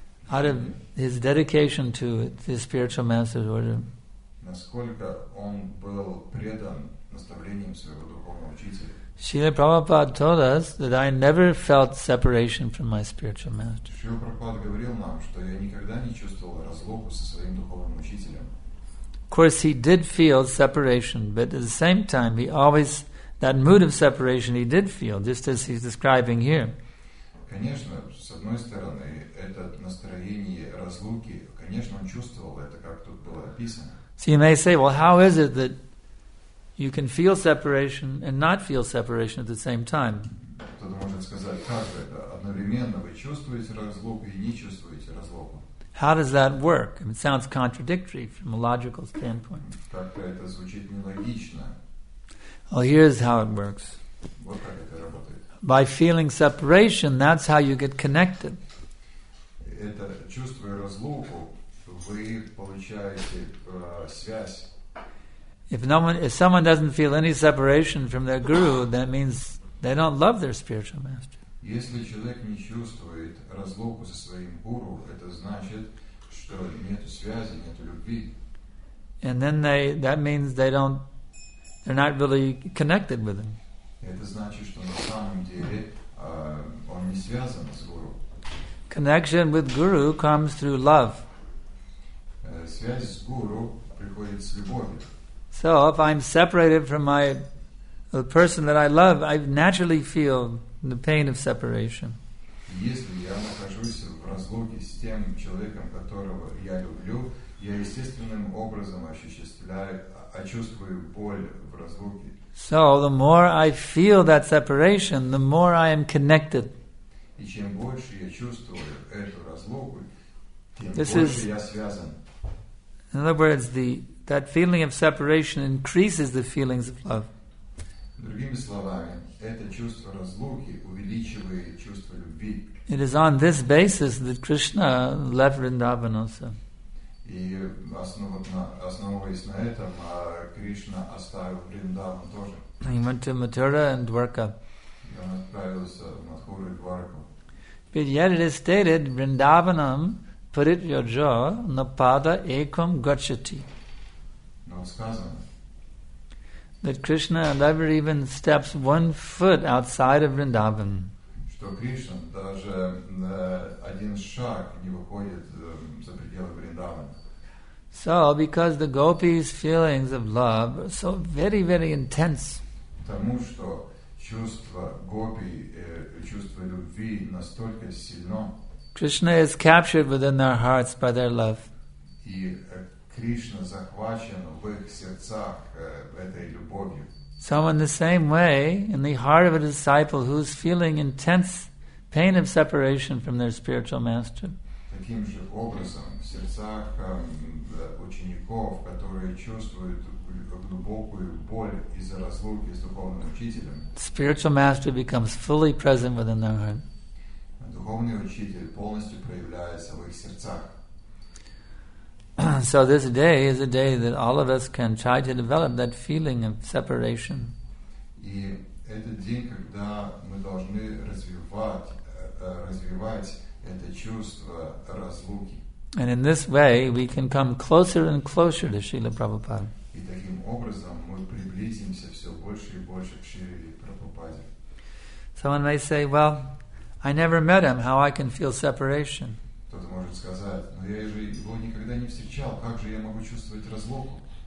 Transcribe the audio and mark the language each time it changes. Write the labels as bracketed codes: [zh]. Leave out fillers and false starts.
[en] Out of his dedication to the spiritual master's order. [ru] Насколько он был предан наставлениям своего духовного учителя. [en] Srila Prabhupada told us that I never felt separation from my spiritual master. [ru] Srila Prabhupada говорил нам, что я никогда не чувствовал разлуку со своим духовным учителем. [en] Of course, he did feel separation, but at the same time, he always that mood of separation he did feel, just as he's describing here. [ru] Конечно, с одной стороны, это настроение разлуки, конечно, он чувствовал это, как тут было описано. [en] So you may say, well, how is it that you can feel separation and not feel separation at the same time? [ru] Кто-то может сказать, как же это? Одновременно вы чувствуете разлуку и не чувствуете разлуку. [en] How does that work? It sounds contradictory from a logical standpoint. [ru] Как это звучит нелогично. [en] Well, here's how it works. [ru] Вот как это работает. [en] By feeling separation, that's how you get connected. [ru] Это, чувствуя разлуку, вы получаете связь. [en] If someone doesn't feel any separation from their guru, that means they don't love their spiritual master. [ru] Если человек не чувствует разлуку со своим гуру, это значит, что нет связи, нет любви. [en] And then that means they're not really connected with him. [ru] Это значит, что на самом деле он не связан с гуру. [en] Connection with guru comes through love. [ru] Связь с гуру приходит с любовью. [en] So if I'm separated from the person that I love, I naturally feel the pain of separation. [ru] Если я нахожусь в разлуке с тем человеком, которого я люблю, я естественным образом чувствую боль в разлуке. [en] So the more I feel that separation, the more I am connected. [ru] И чем больше я чувствую эту разлуку, тем больше я связан. [en] In other words, that feeling of separation increases the feelings of love. [ru] Другими словами, это чувство разлуки увеличивает чувство любви. [en] It is on this basis that Krishna left Vrindavan also. [ru] И основываясь на этом, Кришна оставил Вриндаван тоже. [en] He went to Mathura and Dwarka. [ru] И он отправился в Матхуру и Дварку. [en] But yet it is stated, [sa] Vrindavanam parit yojo na pada ekam gachati. [en] That Krishna never even steps one foot outside of Vrindavan. [ru] Что Кришна даже один шаг не выходит за пределы Вриндавана. [en] So, because the gopis' feelings of love are so very, very intense. [ru] Потому что чувство гопи, чувство любви настолько сильно. [en] Krishna is captured within their hearts by their love. [ru] И Кришна захвачен в их сердцах этой любовью. [en] So in the same way, in the heart of a disciple who is feeling intense pain of separation from their spiritual master. [ru] Таким же образом, в сердцах учеников, которые чувствуют глубокую боль из-за разлуки с духовным учителем. [en] Spiritual master becomes fully present within their heart. [ru] Духовный учитель полностью проявляется в их сердцах. [en] So this day is a day that all of us can try to develop that feeling of separation. [ru] И этот день, когда мы должны развивать это чувство разлуки. [en] And in this way, we can come closer and closer to Srila Prabhupada. [ru] И таким образом мы приблизимся все больше и больше к Шриле Прабхупаде. [en] Someone may say, "Well, I never met him. How I can feel separation?" [ru] Кто-то может сказать, но я же его никогда не встречал, как же я могу чувствовать разлуку?